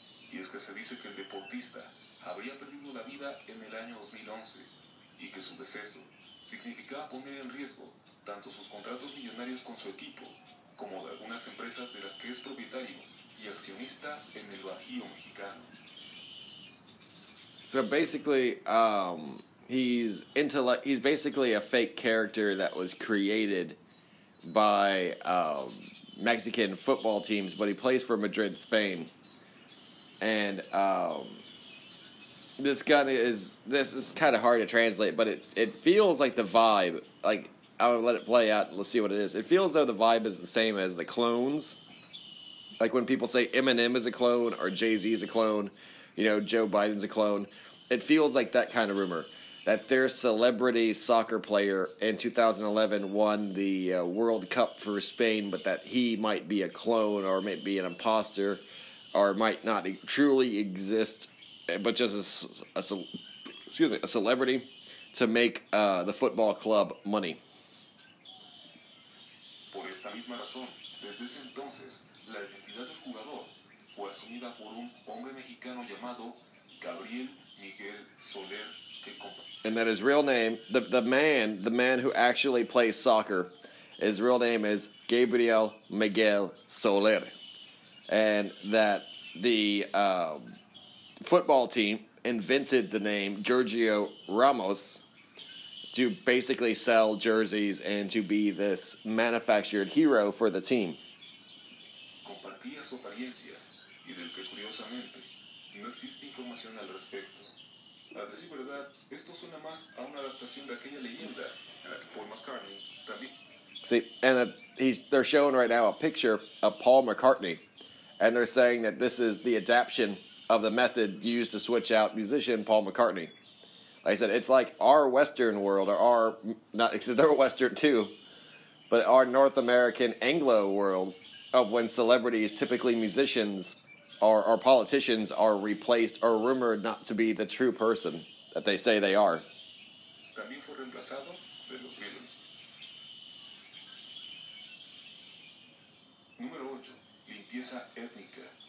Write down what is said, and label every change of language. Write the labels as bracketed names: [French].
[Spanish] Y es que se dice que el deportista habría perdido la vida en el año 2011 y que su deceso significaba poner en riesgo tanto sus contratos millonarios con su equipo como de algunas empresas de las que es propietario y accionista en el Bajío mexicano. [English] So basically, He's basically a fake character that was created by Mexican football teams, but he plays for Madrid, Spain. And this is kind of hard to translate, but it feels like the vibe. Like, I'll let it play out. Let's see what it is. It feels though the vibe is the same as the clones. Like when people say Eminem is a clone or Jay-Z is a clone, you know, Joe Biden's a clone. It feels like that kind of rumor. That their celebrity soccer player in 2011 won the World Cup for Spain, but that he might be a clone or might be an imposter or might not truly exist, but just a celebrity to make the football club money. [Spanish] Por esta misma razón, desde ese entonces, la identidad del jugador fue asumida por un hombre mexicano llamado Gabriel Miguel Soler. [English] And that his real name, the man who actually plays soccer, his real name is Gabriel Miguel Soler. And that the football team invented the name Giorgio Ramos to basically sell jerseys and to be this manufactured hero for the team. [Spanish] Compartía su apariencia, y del que curiosamente no existe información al respecto. A decir verdad, esto suena más a una adaptación de aquella leyenda en la que Paul McCartney también. [English] See, and they're showing right now a picture of Paul McCartney, and they're saying that this is the adaption of the method used to switch out musician Paul McCartney. Like I said, it's like our Western world, or our, not, because they're Western too, but our North American Anglo world of when celebrities, typically musicians, or politicians are replaced or rumored not to be the true person that they say they are. [Spanish] También fue reemplazado de los Beatles. Número 8, limpieza étnica.